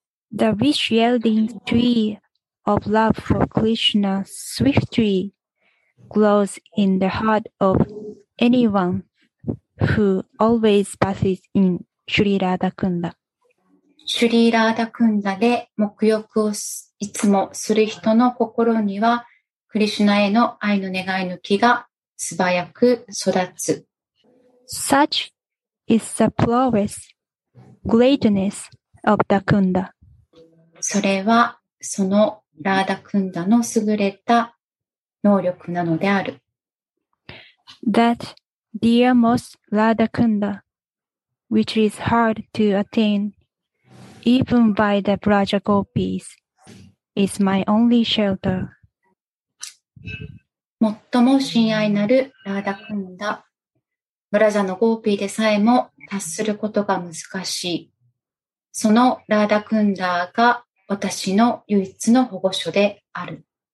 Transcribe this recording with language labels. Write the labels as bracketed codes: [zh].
[en] The rich yielding tree of love for Krishna swiftly grows in the heart of anyone who always passes in シュリラーダ・クンダ。 [ja] シュリラーダ・クンダで沐浴をすいつもする人の心にはクリシュナへの愛の願いの木が素早く育つ。 [en] Such is the prowess, greatness of the Kunda. [ja] それはそのラーダクンダの優れた能力なのである。 [en] That dear most Radha Kunda, which is hard to attain even by the Braja Gopis. Is my only shelter. [ja] 最も親愛なるラーダクンダ、ブラジャのゴーピーでさえも達することが難しい。そのラーダクンダが私の唯一の保護所である。